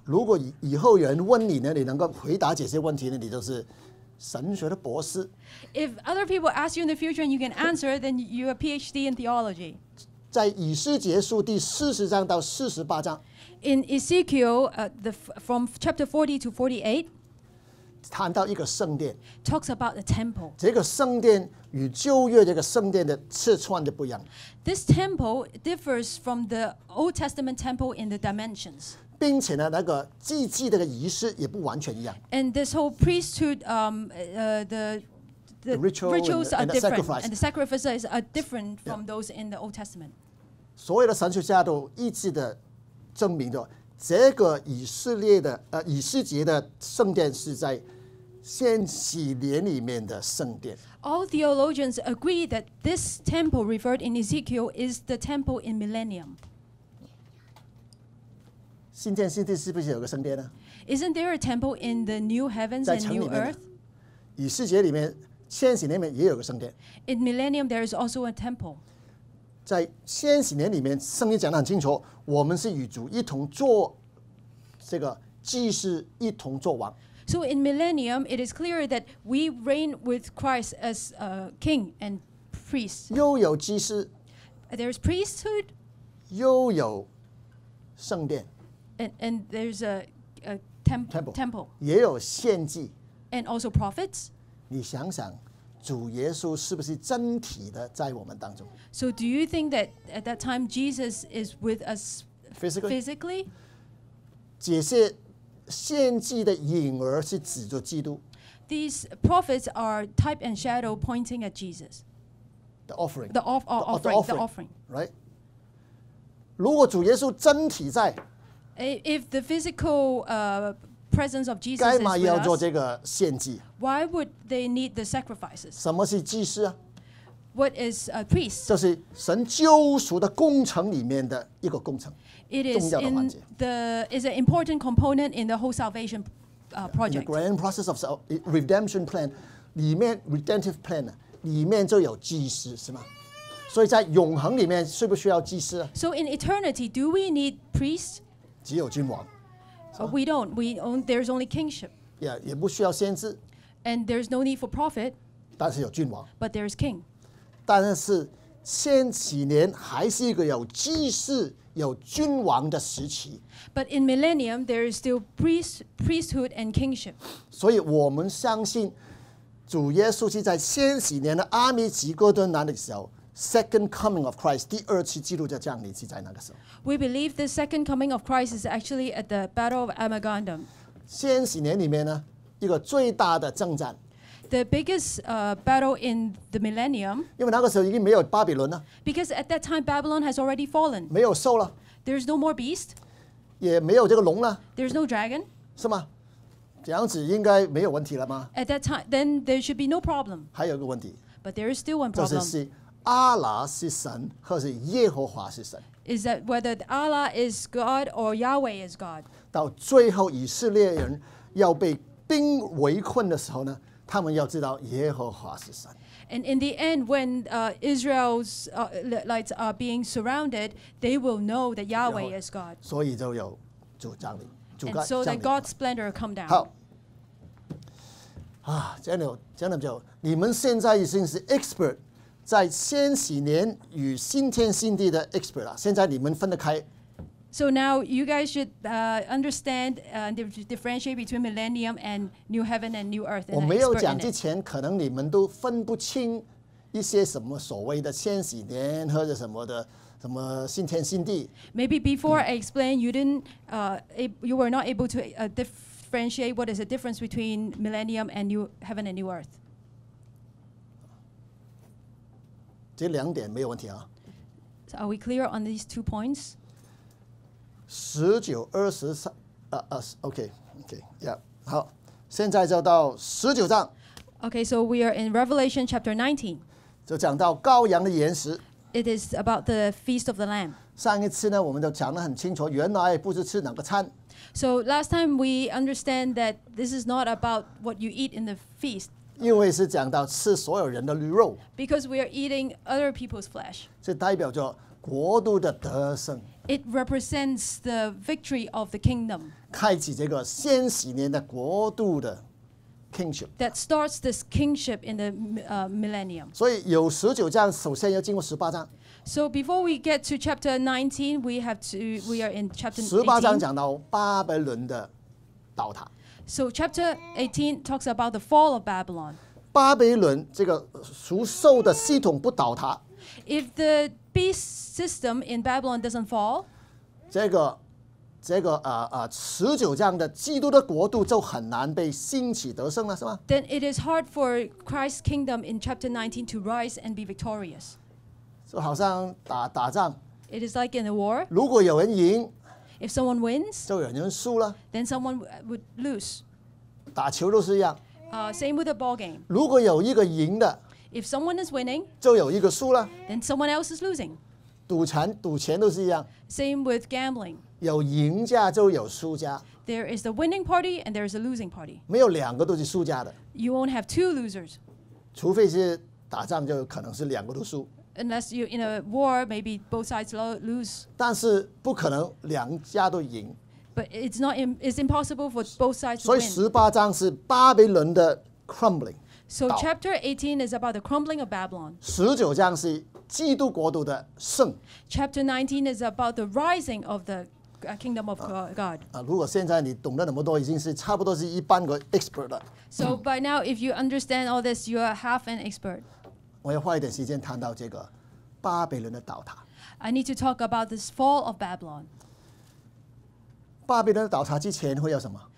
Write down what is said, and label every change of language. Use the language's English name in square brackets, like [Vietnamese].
[Chinese] 如果以後有人問你呢，你能夠回答這些問題呢，你就是神學的博士。 [English] If other people ask you in the future and you can answer, then you have a PhD in theology. [Chinese] 在以斯结书第四十章到四十八章。 [English] In Ezekiel, from chapter 40 to 48, [Chinese] 谈到一个圣殿。 [English] Talks about the temple. [Chinese] 这个圣殿与旧约这个圣殿的尺寸的不一样。 [English] This temple differs from the Old Testament temple in the dimensions. [Chinese] 并且呢，那个祭祭的仪式也不完全一样。 [English] And this whole priesthood, the rituals are different, sacrifice. And the sacrifices are different from those in the Old Testament. [Chinese] 所有的神学家都一致的证明着，这个以色列的以斯结的圣殿是在先禧年里面的圣殿。 [English] All theologians agree that this temple referred in Ezekiel is the temple in millennium. [Chinese] 新天新地是不是有个圣殿呢？ [English] Isn't there a temple in the new heavens and new earth? [Chinese] 以斯结里面。千禧年里面也有个圣殿。 [English] In millennium, there is also a temple. [Chinese] 在千禧年里面，圣经讲得很清楚，我们是与主一同做这个祭司，一同做王。 [English] So in millennium, it is clear that we reign with Christ as a king and priest. [Chinese] 又有祭司。 [English] There is priesthood. [Chinese] 又有圣殿。 [English] And there's a temple. [Chinese] 也有献祭。 [English] And also prophets. [Chinese] 你想想，主耶稣是不是真体的在我们当中 [English] ？So do you think that at that time Jesus is with us physically？ [Chinese] 这些献祭的影儿是指着基督。 [English] These prophets are type and shadow pointing at Jesus. The offering. The offering. [Chinese] Right. 如果主耶稣真体在 [English] ，If the physical presence of Jesus is with us, why would they need the sacrifices? [Chinese] 什么是祭司啊？ [English] What is a priest? [Chinese] 这是神救赎的工程里面的一个工程。 [English] It is in the is an important component in the whole salvation project. In the grand process of redemption plan, 里面 redemptive plan [Chinese] 里面就有祭司是吗？所以在永恒里面需不需要祭司啊？ [English] So in eternity, do we need priests? [Chinese] 只有君王。 [English] We don't. We own. There's only kingship. [Chinese] Yeah, 也不需要先知。 [English] And there's no need for prophet. [Chinese] 但是有君王。 [English] But there's king. [Chinese] 但是千禧年还是一个有祭司、有君王的时期。 [English] But in millennium, there is still priesthood and kingship. [Chinese] 所以我们相信主耶稣是在千禧年的阿米吉哥敦那里的时候。 [English] Second coming of Christ, [Chinese] 第二次基督教降临是在那个时候。 [English] We believe the second coming of Christ is actually at the Battle of Armageddon. [Chinese] 千禧年里面呢，一个最大的征战。 [English] The biggest battle in the millennium. [Chinese] 因为那个时候已经没有巴比伦了。 [English] Because at that time Babylon has already fallen. [Chinese] 没有兽了。 [English] There's no more beast. [Chinese] 也没有这个龙了。 [English] There's no dragon. [Chinese] 是吗？这样子应该没有问题了吗 [English] ？At that time, then there should be no problem. [Chinese] 还有一个问题。 [English] But there is still one problem. [Chinese] 就是阿拉是神，或是耶和华是神 [English] ？Is that whether Allah is God or Yahweh is God？ [Chinese] 到最后，以色列人要被钉围困的时候呢，他们要知道耶和华是神。 [English] And in the end, when Israel's lights are being surrounded, they will know that Yahweh is God. [Chinese] 所以就有主降临，主降临。 [English] And so that God's splendor come down. [Chinese] 好。啊，这样就你们现在已经是 expert。在千禧年与新天新地的 expert 了，现在你们分得开。 [English] So now you guys should understand and differentiate between millennium and new heaven and new earth. [Chinese] 我没有讲之前，可能你们都分不清一些什么所谓的千禧年或者什么的什么新天新地。 [English] Maybe before I explain, you were not able to differentiate what is the difference between millennium and new heaven and new earth. [Chinese] 这两点没有问题啊。 [English] So are we clear on these two points? [Chinese] 十九二十三，OK，Yeah，好，现在就到十九章。 [English] Okay, so we are in Revelation chapter 19. [Chinese] 就讲到羔羊的筵席。 [English] It is about the Feast of the Lamb. [Chinese] 上一次呢，我们就讲得很清楚，原来不是吃哪个餐。 [English] So last time we understand that this is not about what you eat in the feast. [Chinese] 因为是讲到吃所有人的驴肉。 [English] Because we are eating other people's flesh. [Chinese] 这代表着国度的得胜。 [English] It represents the victory of the kingdom. [Chinese] 开启这个千禧年的国度的。 [English] Kingship. That starts this kingship in the millennium. [Chinese] So, 有十九章，首先要经过十八章。 [English] So, before we get to chapter 19, we are in chapter [Chinese] 18. 十八章讲到巴比伦的倒塌。 [English] So, chapter 18 talks about the fall of Babylon. [Chinese] 巴比伦这个属兽的系统不倒塌。 [English] If the beast system in Babylon doesn't fall, [Chinese] 这个十九章的基督的国度就很难被兴起得胜了，是吗？ [English] Then it is hard for Christ's kingdom in chapter 19 to rise and be victorious. [Chinese] 就好像打仗。 [English] It is like in a war. [Chinese] 如果有人赢 [English] ，If someone wins， [Chinese] 就有人输了。 [English] Then someone would lose. [Chinese] 打球都是一样。 [English] Same with a ball game. [Chinese] 如果有一个赢的 [English] ，If someone is winning， [Chinese] 就有一个输了。 [English] Then someone else is losing. [Chinese] 赌钱都是一样。 [English] Same with gambling. [Chinese] 有赢家就有输家。 [English] There is the winning party and there is the losing party. [Chinese] 没有两个都是输家的。 [English] You won't have two losers. [Chinese] 除非是打仗，就可能是两个都输。 [English] Unless you're in a war, maybe both sides lose. [Chinese] 但是不可能两家都赢。 [English] But it's impossible for both sides to win. [Chinese] 所以十八章是巴比伦的 crumbling. [English] So chapter 18 is about the crumbling of Babylon. [Chinese] 十九章是基督国度的胜。 [English] Chapter 19 is about the rising of the Kingdom of God. [Chinese] 如果现在你懂得那么多，已经是差不多是一般个 expert 了。 [English] So by now, if you understand all this, you are half an expert. [Chinese] 我要花一点时间谈到这个巴比伦的倒塌。 [English] I need to talk about this fall of Babylon. [Chinese] 巴比伦倒塌之前会有什么